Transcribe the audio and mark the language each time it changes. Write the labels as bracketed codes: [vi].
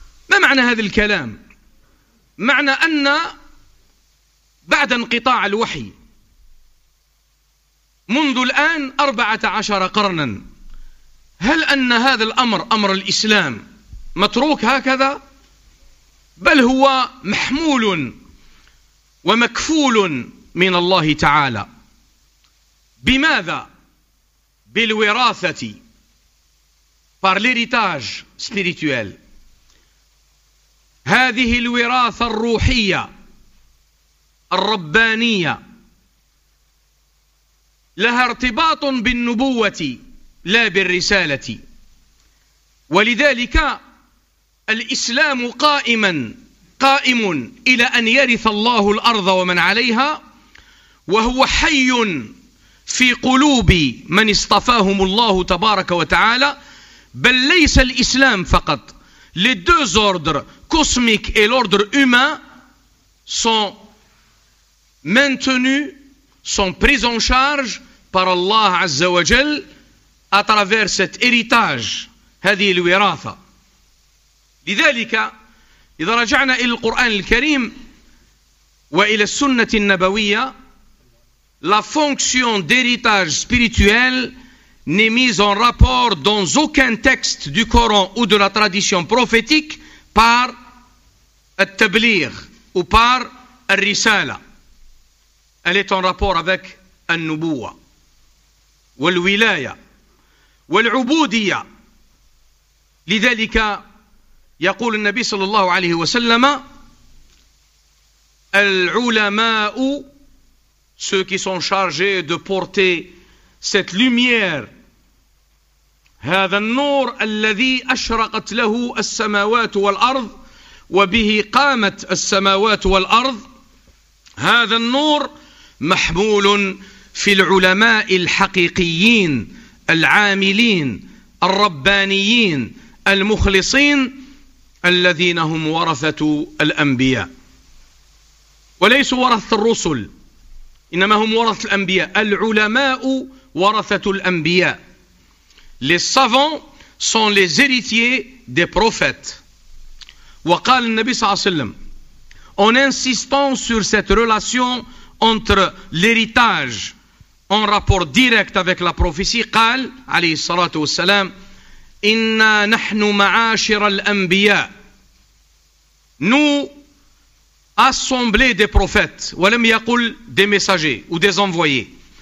[ar] ما معنى هذا الكلام؟ معنى أن بعد انقطاع الوحي منذ الآن 14 قرنا، هل أن هذا الأمر أمر الإسلام متروك هكذا؟ بل هو محمول ومكفول من الله تعالى. بماذا؟ بالوراثة، [fr] par l'héritage spirituel. [ar] هذه الوراثة الروحية الربانية لها ارتباط بالنبوة لا بالرسالة. ولذلك الإسلام قائما قائم إلى أن يرث الله الأرض ومن عليها، وهو حي في قلوب من اصطفاهم الله تبارك وتعالى. بل ليس الإسلام فقط، [fr] les deux ordres cosmiques et l'ordre humain sont maintenus, sont pris en charge par Allah Azza wa Jal à travers cet héritage, [ar] هذه الوراثة. لذلك إذا رجعنا إلى القرآن الكريم وإلى السنة النبوية، [fr] la fonction d'héritage spirituel n'est mise en rapport dans aucun texte du Coran ou de la tradition prophétique par al-tabligh ou par al-risala. Elle est en rapport avec al-nubuwa, wal-wilaya, wal-ubudiya. [ar] لذلك يقول النبي صلى الله عليه وسلم: العلماء، [fr] ceux qui sont chargés de porter cette lumière, [ar] هذا النور الذي أشرقت له السماوات والأرض وبه قامت السماوات والأرض، هذا النور محمول في العلماء الحقيقيين العاملين الربانيين المخلصين الذين هم ورثة الأنبياء، وليس ورثة الرسل، إنما هم ورثة الأنبياء. العلماء ورثة الأنبياء. [fr] Les savants sont les héritiers des prophètes. [ar] وقال النبي صلى الله عليه وسلم: [fr] en insistant sur cette relation entre l'héritage en rapport direct avec la prophétie, [ar] قال عليه الصلاة والسلام: إنا نحن معاشر الأنبياء. [fr] Nous assemblée des prophètes, [ar] walam yaqul [fr] des messagers ou des envoyés.